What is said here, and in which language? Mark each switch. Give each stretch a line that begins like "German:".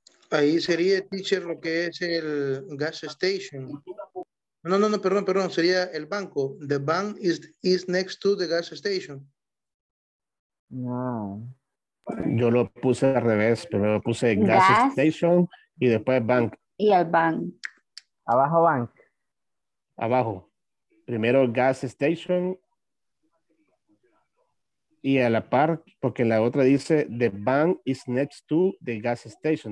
Spanish: Ahí sería, teacher, lo que es el gas station. No, no, no, perdón, perdón, sería el banco.
English: The bank is next to the gas station.
Spanish: No. Yo lo puse al revés, pero lo puse gas station y después bank. Y el bank. Abajo bank. Abajo. Primero gas station y a la par, porque la otra dice
English: the bank is next to the gas station.